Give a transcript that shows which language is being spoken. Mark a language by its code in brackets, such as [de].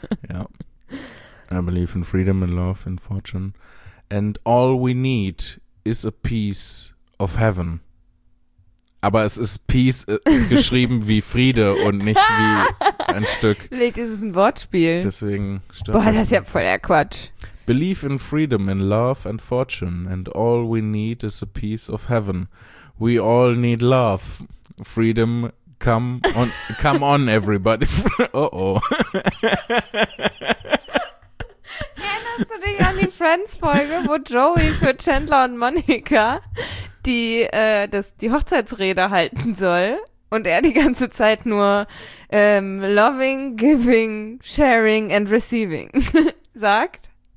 [en] Ja. I believe in freedom, in love and fortune. And all we need is a piece of heaven. [de] Aber es ist Peace geschrieben wie Friede und nicht wie ein Stück. Vielleicht ist es ein Wortspiel. Deswegen stört das. Boah, das ist ja voll der Quatsch. [en] Believe in freedom, in love and fortune, and all we need is a piece of heaven. We all need love. Freedom, come on, everybody. Oh, oh. [de] Erinnerst du dich an die Friends-Folge, wo Joey für Chandler und Monica die Hochzeitsrede halten soll und er die ganze Zeit nur [en] loving, giving, sharing and receiving [de] sagt?